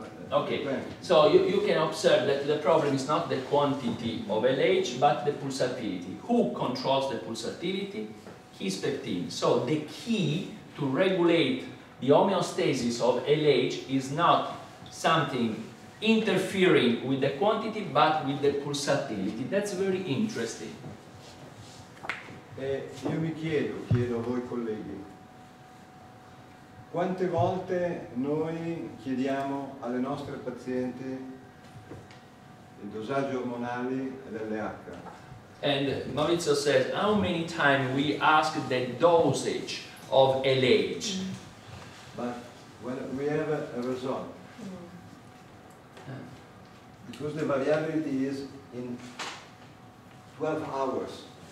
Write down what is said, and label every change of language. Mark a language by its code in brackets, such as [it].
[en] okay, so you can observe that the problem is not the quantity of LH but the pulsatility. Who controls the pulsatility? His peptin. So the key to regulate the homeostasis of LH is not something interfering with the quantity but with the pulsatility. That's very interesting. [it] Io mi chiedo a voi colleghi, quante volte noi chiediamo alle nostre pazienti il dosaggio ormonale dell'LH? [en] And Maurizio says, how many times we ask the dosage of LH? But when we have a result. Because the variability is in 12 hours.